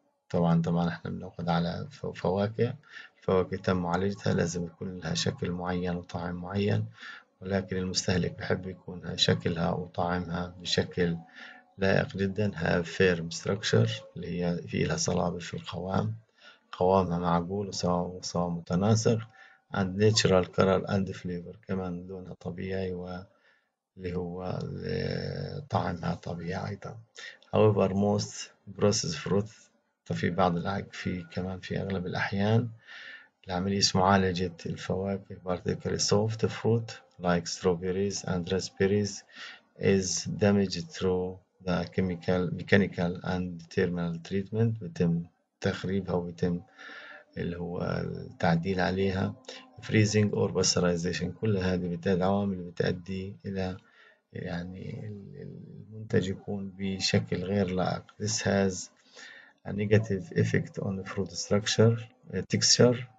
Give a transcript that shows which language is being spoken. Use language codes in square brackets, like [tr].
[ar] طبعا احنا بنأخذ على فواكه، الفواكه تم معالجتها لازم يكون لها شكل معين وطعم معين، ولكن المستهلك بحب يكون شكلها وطعمها بشكل لائق جدا. [en] have firm structure [ar] اللي هي في لها صلابة في القوام، قوامها معقول وسواء متناسق. [en] and natural color and flavor [ar] كمان لونها طبيعي واللي هو طعمها طبيعي أيضا. [en] however most processed fruit [ar] في بعض العك في كمان في أغلب الأحيان العملية معالجة الفواكه [en] particularly soft fruit like strawberries and raspberries is damaged through the chemical, mechanical and thermal treatment. [ar] بتم تخريبها وبتم اللي هو التعديل عليها [en] freezing or pasteurization. [ar] كل هذه بتأدي عوامل بتأدي إلى يعني المنتج يكون بشكل غير لائق. [en] this has a negative effect on the fruit structure texture.